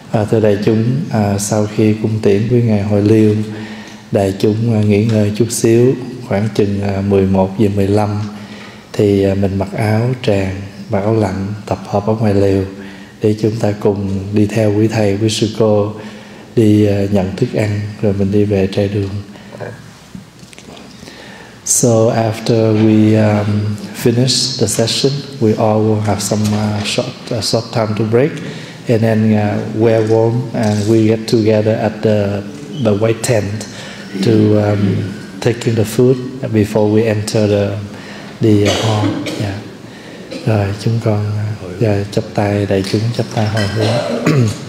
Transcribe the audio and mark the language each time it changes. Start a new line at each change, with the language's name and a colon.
Vietnamese: Thưa đại chúng, sau khi cung tiễn với ngài hồi liêu, đại chúng nghỉ ngơi chút xíu, khoảng chừng 11:15 thì mình mặc áo tràng và áo lạnh tập hợp ở ngoài lều để chúng ta cùng đi theo quý thầy, quý sư cô đi nhận thức ăn rồi mình đi về trại đường.
English: So after we finish the session, we all will have some short time to break, and then we're warm and we get together at the white tent to take in the food before we enter the hall. Yeah.
Vietnamese: Rồi chúng con chắp tay, đại chúng chắp tay hồi hướng.